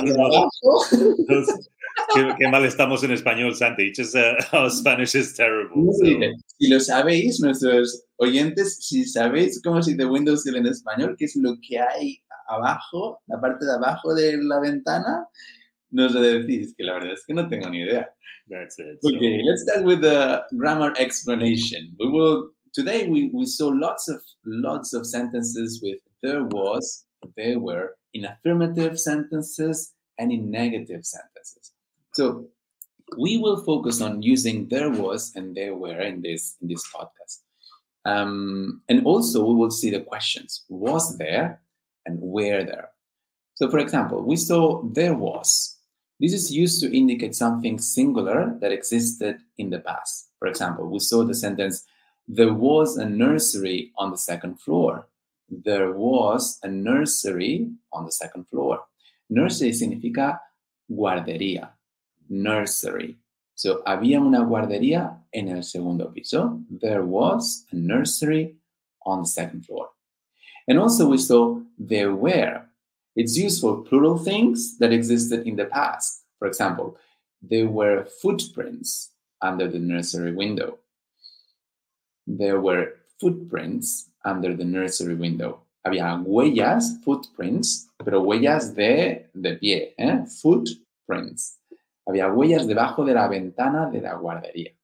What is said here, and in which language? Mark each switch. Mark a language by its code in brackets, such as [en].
[en] I don't know. [es] Qué mal estamos en español, Santi. [en] Our Spanish is terrible. [es] Sí, so. Si lo sabéis, nuestros oyentes, si sabéis cómo se dice windowsill en español, qué es lo que hay abajo, la parte de abajo de la ventana, nos lo decís, que la verdad es que no tengo ni idea. [en] That's it. Okay, so. Let's start with the grammar explanation. Today we saw lots of sentences with there was, there were, in affirmative sentences and in negative sentences. So we will focus on using there was and there were in this podcast. And also we will see the questions, was there and were there. So for example, we saw there was. This is used to indicate something singular that existed in the past. For example, we saw the sentence, there was a nursery on the second floor. There was a nursery on the second floor. [es] Nursery significa guardería, nursery. So, había una guardería en el segundo piso. [en] There was a nursery on the second floor. And also we saw there were. It's used for plural things that existed in the past. For example, there were footprints under the nursery window. There were footprints under the nursery window. [es] Había huellas, footprints, pero huellas de pie, ¿eh? Footprints. Había huellas debajo de la ventana de la guardería.